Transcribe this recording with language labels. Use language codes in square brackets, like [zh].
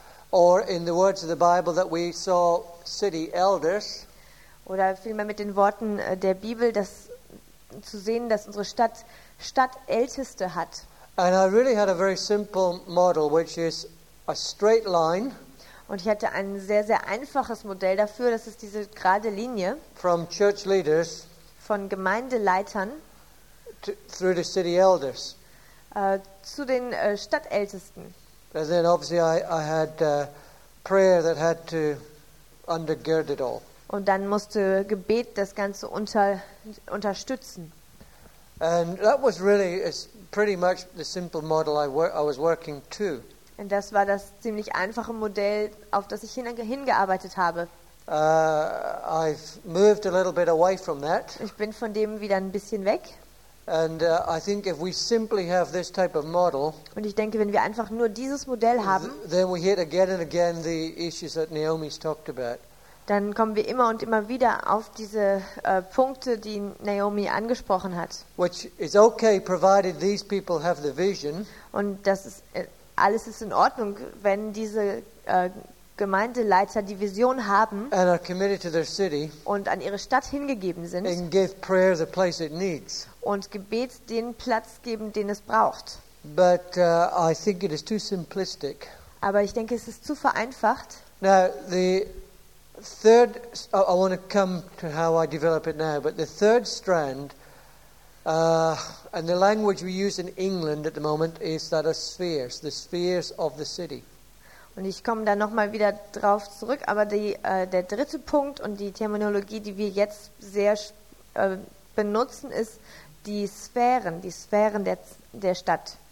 [en] Or in the words of the Bible that we saw city elders. [de] Oder vielmehr mit den Worten der Bibel, dass zu sehen, dass unsere Stadt Stadtälteste hat. [en] And I really had a very simple model, which is a straight line. [de] Und ich hatte ein sehr, sehr einfaches Modell dafür, das ist diese gerade Linie. [en] From church leaders. [de] Von Gemeindeleitern. [en] Through the city elders. [de] Zu den Stadtältesten. [en] And then obviously I had prayer that had to undergird it all. [de] Und dann musste Gebet das Ganze unterstützen. [en] And that was really pretty much the simple model I was working to. [de] Und das war das ziemlich einfache Modell, auf das ich hingearbeitet habe. [en] I've moved a little bit away from that. [de] Ich bin von dem wieder ein bisschen weg. [en] And I think if we simply have this type of model, [de] und ich denke, wenn wir einfach nur dieses Modell haben, [en] then we hit again and again the issues that Naomi's talked about. [de] Dann kommen wir immer und immer wieder auf diese Punkte, die Naomi angesprochen hat. [en] Which is okay, provided these people have the vision. [de] Und das ist alles ist in Ordnung, wenn diese Gemeindeleiter die Vision haben [en] and are committed to their city, [de] und an ihre Stadt hingegeben sind [en] and give prayer the place it needs. [de] Und Gebet den Platz geben, den es braucht. [en] But, I think it is too simplistic. [de] Aber ich denke, es ist zu vereinfacht. [en] Now, the third, I want to come to how I develop it now, but the third strand and the language we use in England at the moment is that of spheres, the spheres of the city. [de] Und ich komme da nochmal wieder drauf zurück, aber die, der dritte Punkt und die Terminologie, die wir jetzt sehr benutzen, ist die Sphären der, der Stadt.